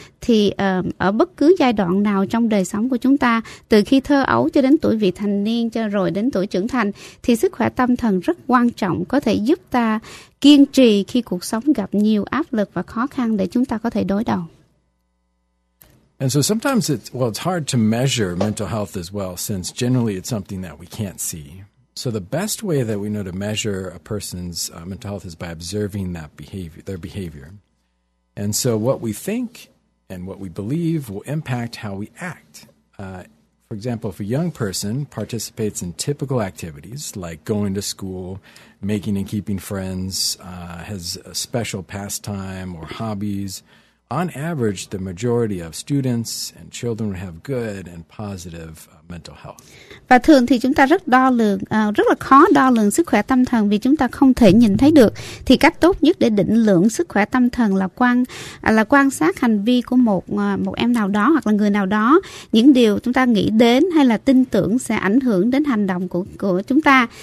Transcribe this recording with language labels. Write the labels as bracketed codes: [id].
[vi] Thì ở bất cứ giai đoạn nào trong đời sống của chúng ta, từ khi thơ ấu cho đến tuổi vị thành niên, cho rồi đến tuổi trưởng thành, thì sức khỏe tâm thần rất quan trọng, có thể giúp ta kiên trì khi cuộc sống gặp nhiều áp lực và khó khăn để chúng ta có thể đối đầu. [en] And so sometimes it's hard to measure mental health as well, since generally it's something that we can't see. So the best way that we know to measure a person's mental health is by observing that behavior, their behavior. And so what we think and what we believe will impact how we act. For example, if a young person participates in typical activities like going to school, making and keeping friends, has a special pastime or hobbies, on average, the majority of students and children have good and positive mental health. [vi] Và thường thì chúng ta rất đo lường, rất là khó đo lường sức khỏe tâm thần vì chúng ta không thể nhìn thấy được. Thì cách tốt nhất để định lượng sức khỏe tâm thần là quan sát hành vi của một em nào đó hoặc là người nào đó. Những điều chúng ta nghĩ đến hay là tin tưởng sẽ ảnh hưởng đến hành động của chúng ta.